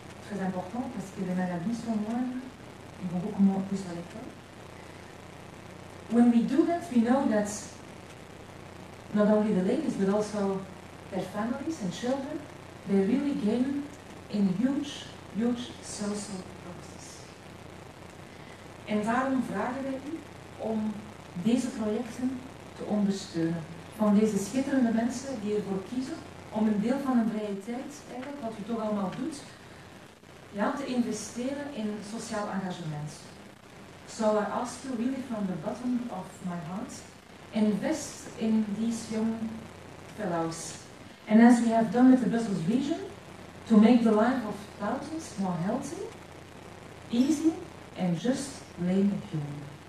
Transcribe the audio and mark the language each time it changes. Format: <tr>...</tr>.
<fr>Très important parce que les maladies sont moins, ils vont beaucoup moins plus à l'école.</fr> <en>When we do that, we know that not only the ladies but also their families and children, they really gain in huge, huge social process.</en> <nl>En daarom vragen wij u om deze projecten te ondersteunen. Van deze schitterende mensen die ervoor kiezen om een deel van hun vrije tijd, eigenlijk wat u toch allemaal doet, ja, te investeren in sociaal engagement.</nl> <en>So I ask you really from the bottom of my heart, invest in these young fellows. And as we have done with the Brussels Vision, to make the life of thousands more healthy, easy and just plain human.</en>